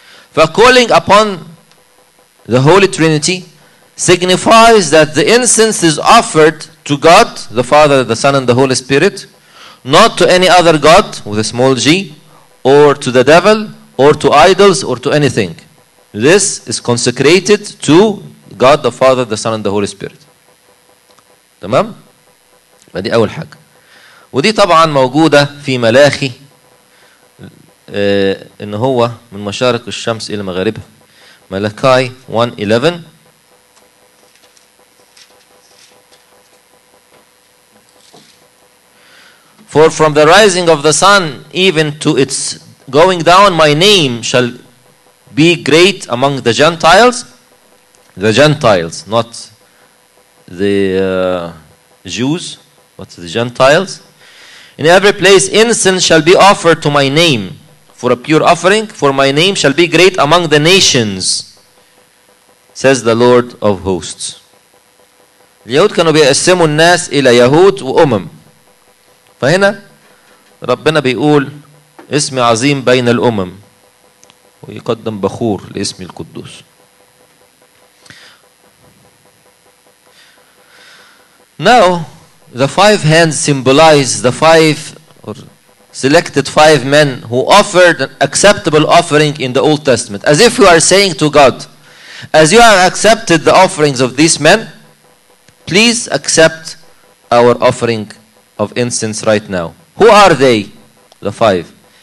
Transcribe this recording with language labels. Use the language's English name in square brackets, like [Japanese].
[English] For calling upon the Holy Trinity signifies that the incense is offered to God, the Father, the Son, and the Holy Spirit, not to any other God, with a small g, or to the devil, or to idols, or to anything. This is consecrated to God, the Father, the Son, and the Holy Spirit. [Arabic] تمام؟ فدي أول حاجة. ودي طبعا موجودة في ملاخي إن هو من مشارق الشمس إلى مغاربها. ملاكاي 1:11. [English] For from the rising of the sun even to its going down, my name shall be great among the Gentiles. The Gentiles, not the Jews, but the Gentiles. In every place incense shall be offered to my name for a pure offering, for my name shall be great among the nations, says the Lord of hosts. [Arabic] اليهود كانوا بيقسموا الناس إلى يهود وأمم. فهنا ربنا بيقول اسمي عظيم بين الأمم ويقدم بخور لاسمي القدوس. [English] Now the five hands symbolize the five or selected five men who offered an acceptable offering in the Old Testament. As if you are saying to God, as you have accepted the offerings of these men, please accept our offering of incense right now. Who are they? The five.